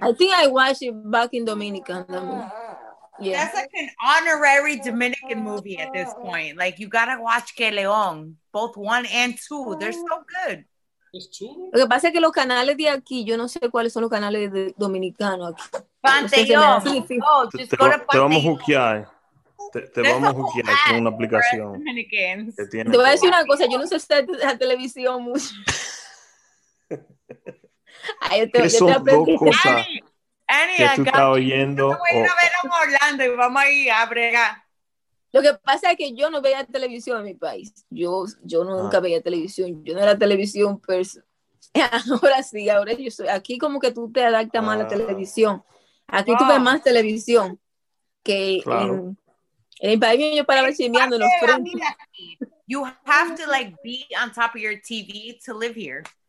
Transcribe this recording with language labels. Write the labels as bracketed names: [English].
[English] I think I watched it back in Dominican. Yeah. That's like an honorary Dominican movie at this point. Like, you gotta watch Que León. Both one and two. They're so good. It's [Spanish] lo que pasa es que los canales de aquí, yo no sé cuáles son los canales de Dominicano. Pantellón. Oh, just go to Pantellón. Te vamos a juzgar con una aplicación. Te voy a decir una cosa, yo no sé si la televisión mucho. Ay, ¿qué son dos cosas Annie, que tú estás oyendo? Yo voy a ver a Orlando y vamos a ir a bregar. Lo que pasa es que yo no veía televisión en mi país. Yo nunca veía televisión. Yo no era televisión persona. Ahora sí, ahora yo soy. Aquí como que tú te adaptas más a la televisión. Aquí tú ves más televisión que en... [English] You have to like be on top of your TV to live here.